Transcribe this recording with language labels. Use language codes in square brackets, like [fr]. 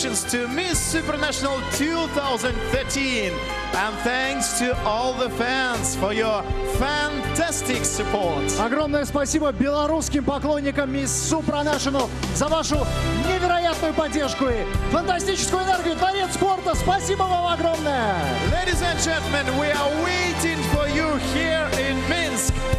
[en] To Miss Supranational 2013, and thanks to all the fans for your fantastic support. [ru] Огромное спасибо белорусским поклонникам Miss Supranational за вашу невероятную поддержку и фантастическую энергию. Творец спорта, спасибо вам огромное. [en] Ladies and gentlemen, we are waiting for you here in Minsk.